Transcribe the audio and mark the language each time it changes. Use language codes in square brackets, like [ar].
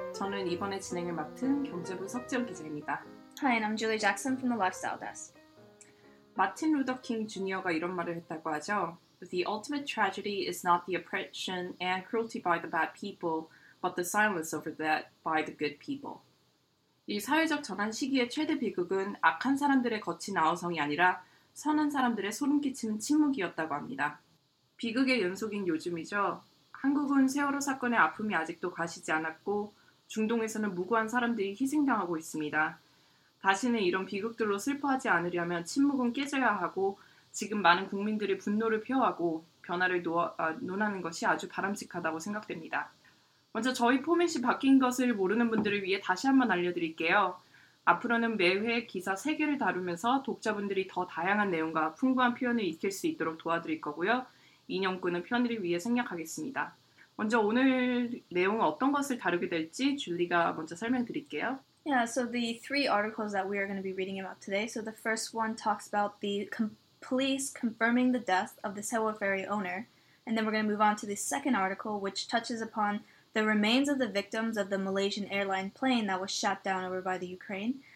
[ko] 저는 이번에 진행을 맡은 경제부 석지영 기자입니다. [en] Hi, and I'm Julie Jackson from the Lifestyle Desk. [ko] 마틴 루더 킹 주니어가 이런 말을 했다고 하죠. [en] The ultimate tragedy is not the oppression and cruelty by the bad people, but the silence over that by the good people. [ko] 이 사회적 전환 시기의 최대 비극은 악한 사람들의 거친 아우성이 아니라 선한 사람들의 소름끼치는 침묵이었다고 합니다. 비극의 연속인 요즘이죠. 한국은 세월호 사건의 아픔이 아직도 가시지 않았고 중동에서는 무고한 사람들이 희생당하고 있습니다. 다시는 이런 비극들로 슬퍼하지 않으려면 침묵은 깨져야 하고 지금 많은 국민들이 분노를 표하고 변화를 논하는 것이 아주 바람직하다고 생각됩니다. 먼저 저희 포맷이 바뀐 것을 모르는 분들을 위해 다시 한번 알려드릴게요. 앞으로는 매회 기사 3개를 다루면서 독자분들이 더 다양한 내용과 풍부한 표현을 익힐 수 있도록 도와드릴 거고요. 인용구는 편의를 위해 생략하겠습니다. 먼저 오늘 내용은 어떤 것을 다루게 될지 줄리가 먼저 설명드릴게요. [en] Yeah, so the three articles that we are going to be reading about today. So the first one talks about the police confirming the death of the Sewol Ferry owner. And then we're going to move on to the second article, which touches upon the remains of the victims of the Malaysian airline plane that was shot down over by the Ukraine.